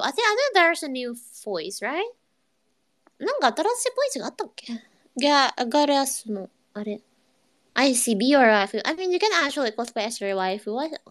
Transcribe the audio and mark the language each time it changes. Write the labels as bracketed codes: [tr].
[en] I think there's a new voice, right? [ja] なんか新しいボイスがあったっけガレアスの、あれ。 [en] I see. Be your waifu. I mean, you can actually cosplay as your waifu.